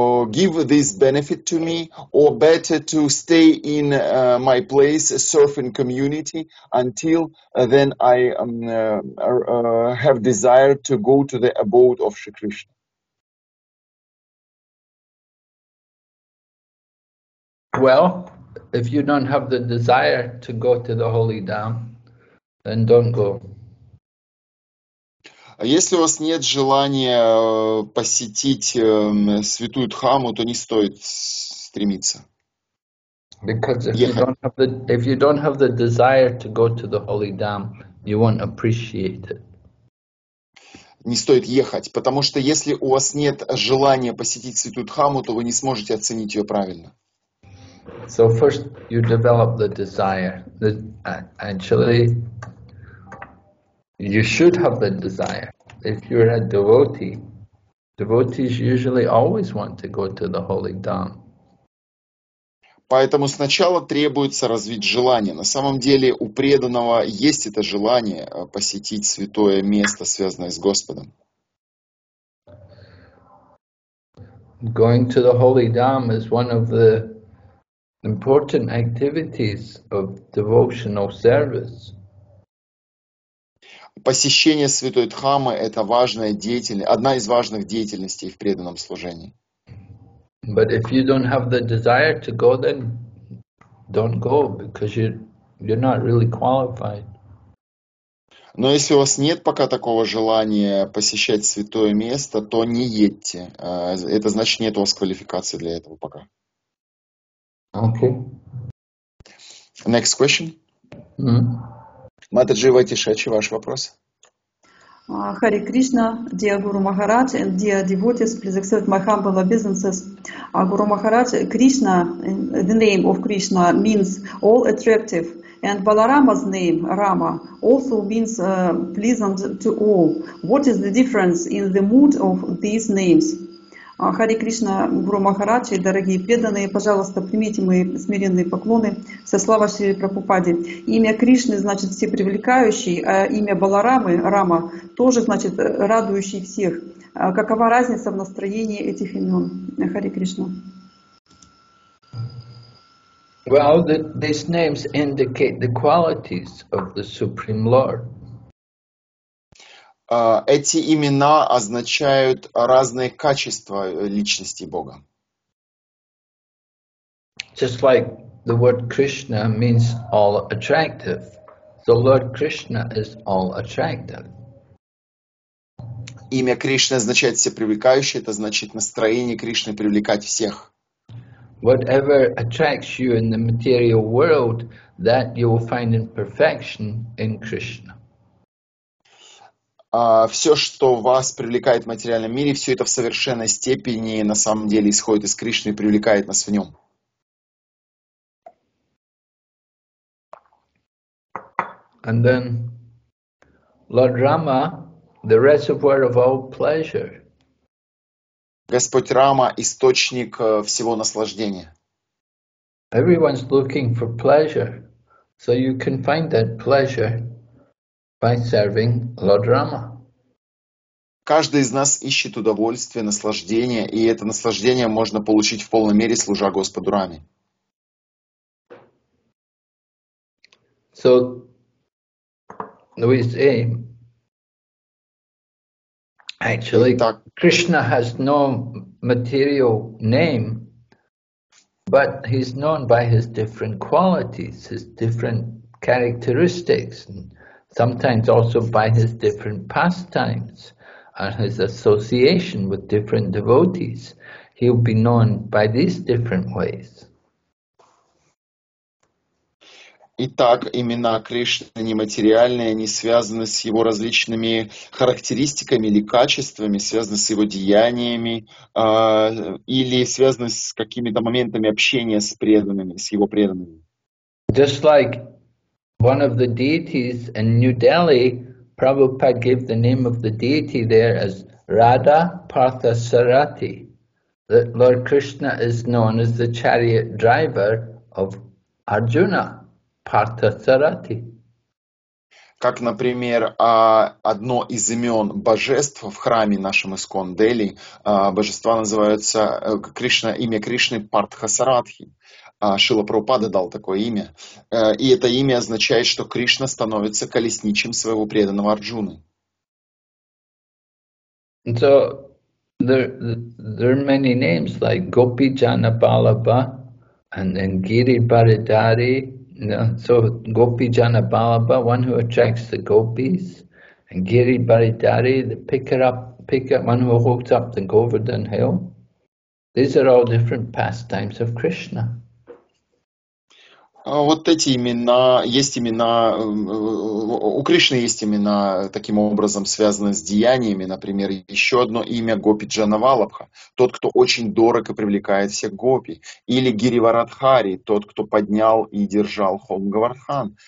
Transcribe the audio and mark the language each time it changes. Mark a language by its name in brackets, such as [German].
[English] Give this benefit to me, or better to stay in my place, serve in community, until then I have desire to go to the abode of Shri Krishna? Well, if you don't have the desire to go to the holy dham, then don't go. [Russian] Если у вас нет желания посетить святую Дхамму, то не стоит стремиться. [English] Because if you don't have the desire to go to the holy dham, you won't appreciate it. [Russian] не стоит ехать, потому что если у вас нет желания посетить Святую Дхамму, то вы не сможете оценить ее правильно. [English] So first you develop the desire. Actually, you should have the desire. If you're a devotee, devotees usually always want to go to the holy dham. [Russian] Поэтому сначала требуется развить желание. На самом деле у преданного есть это желание посетить святое место, связанное с Господом. [English] Going to the holy dham is one of the important activities of devotional service. [Russian] Посещение Святой Дхаммы – это важная деятельность, одна из важных деятельностей в преданном служении. [English] But if you don't have the desire to go, then don't go, because you're not really qualified. [Russian] Но если у вас нет пока такого желания посещать святое место, то не едьте. Это значит, нет у вас квалификации для этого пока. [English] Okay. Next question. [Russian] Матаджи Ватишачи, ваш вопрос. [English] Hare Krishna, dear Guru Maharaj, and dear devotees, please accept my humble obeisances. Guru Maharaj, Krishna, the name of Krishna means all attractive, and Balarama's name, Rama, also means pleasant to all. What is the difference in the mood of these names? [Russian] Hare Krishna, Guru Maharaj, дорогие преданные, пожалуйста, примите мои смиренные поклоны со слава Шри Прабхупаде. Имя Кришны значит всепривлекающий, а имя Баларамы, Рама, тоже значит радующий всех. Какова разница в настроении этих имен? [English] Hare Krishna. Well, these names indicate the qualities of the Supreme Lord. [Russian] Эти имена означают разные качества личности Бога. [English] Just like the word Krishna means all attractive, the Lord Krishna is all attractive. [Russian] Имя Кришны означает всепривлекающий, это значит настроение Кришны привлекать всех. [English] Whatever attracts you in the material world, that you will find in perfection in Krishna. [Russian] Все, что вас привлекает в материальном мире, все это в совершенной степени на самом деле исходит из Кришны и привлекает нас в нем. [English] And then Lord Rama, the reservoir of all pleasure. [Russian] Господь Рама – источник всего наслаждения. [English] Everyone's looking for pleasure, so you can find that pleasure by serving Lord Rama. [Russian] Каждый из нас ищет удовольствие, наслаждение, и это наслаждение можно получить в полной мере, служа Господу Раме. [English] So, we say, actually, [Russian] Итак, [English] Krishna has no material name, but he's known by his different qualities, his different characteristics, and sometimes also by his different pastimes. And his association with different devotees, he'll be known by these different ways. [Russian] Итак, имена Кришны нематериальные, они связаны с его различными характеристиками или качествами, связаны с его деяниями, или связаны с какими-то моментами общения с преданными, с его преданными. [English] Just like one of the deities in New Delhi, Prabhupada gave the name of the deity there as Radha Partha Sarathi. That Lord Krishna is known as the chariot driver of Arjuna, Partha Sarathi. [Russian] Как, например, одно из имен божеств в храме нашем Искон Дели, божества называются Кришна, имя Кришны Партха Саратхи. Шрила Прабхупада дал такое имя. И это имя означает, что Кришна становится колесничим своего преданного Арджуны. [English] So, there are many names like Gopi Jana Balaba and then Giri Baridari. So, Gopi Jana Balaba, one who attracts the gopis, and Giri Baridari, the picker, one who holds up the Govardhan Hill. These are all different pastimes of Krishna. [Russian] Вот эти имена, есть имена, у Кришны есть имена, таким образом связаны с деяниями. Например, еще одно имя — Гопи Джанавалабха, тот, кто очень дорог и привлекает всех гопи. Или Гиривардхари, тот, кто поднял и держал холм Говардхан.